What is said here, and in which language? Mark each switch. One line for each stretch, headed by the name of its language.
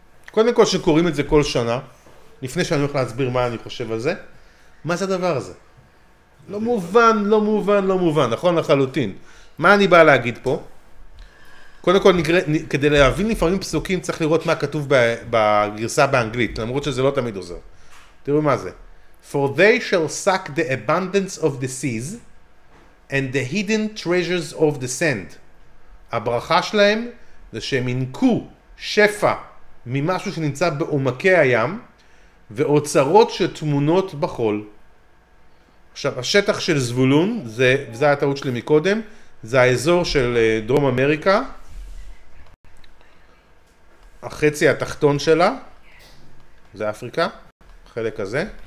Hebrew: קודם כל שקוראים את זה כל שנה, לפני שאני הולך להסביר מה אני חושב על זה, מה זה הדבר הזה? לא מובן, לא מובן, לא מובן, נכון לחלוטין. מה אני בא להגיד פה? קודם כל, כדי להבין לפעמים פסוקים, צריך לראות מה כתוב בגרסה באנגלית, למרות שזה לא תמיד עוזר. תראו מה זה.
English: For they shall suck the abundance of the seas and the hidden treasures of the sand.
Hebrew: הברכה שלהם זה שהם ינקו שפע ממשהו שנמצא בעומקי הים, ואוצרות שתמונות בחול. עכשיו, השטח של זבולון, זה הטעות שלי מקודם, זה האזור של דרום אמריקה, החצי התחתון שלה, זה אפריקה, החלק הזה.